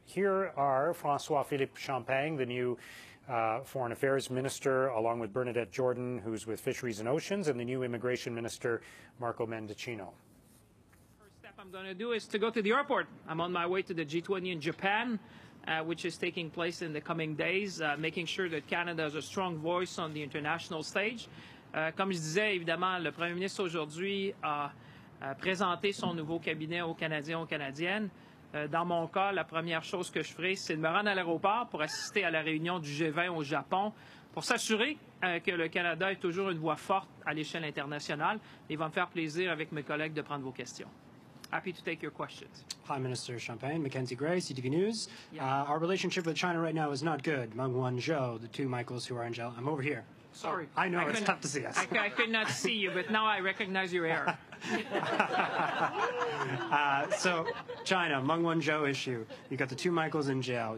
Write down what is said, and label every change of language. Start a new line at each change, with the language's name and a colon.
English: Here are François-Philippe Champagne, the new Foreign Affairs Minister, along with Bernadette Jordan, who's with Fisheries and Oceans, and the new Immigration Minister, Marco Mendicino. First step I'm going to do is to go to the airport. I'm on my way to the G20 in Japan, which is taking place in the coming days, making sure that Canada has a strong voice on the international stage.
French: Comme je disais, évidemment, le premier ministre aujourd'hui a présenté son nouveau cabinet aux Canadiens et aux Canadiennes. Dans mon cas, la première chose que je ferai, c'est de me rendre à l'aéroport pour assister à la réunion du G20 au Japon, pour s'assurer que le Canada est toujours une voix forte à l'échelle internationale. Il va me faire plaisir avec mes collègues de prendre vos questions.
English: Happy to take your questions. Prime Minister Champagne, Mackenzie Gray, CTV News. Yeah. Our relationship with China right now is not good. Meng Wanzhou, the two Michaels who are in jail. I'm over here. Sorry. Oh, I know, it's tough to see us. I could not see you, but now I recognize your error. So, China, Meng Wanzhou issue. You've got the two Michaels in jail.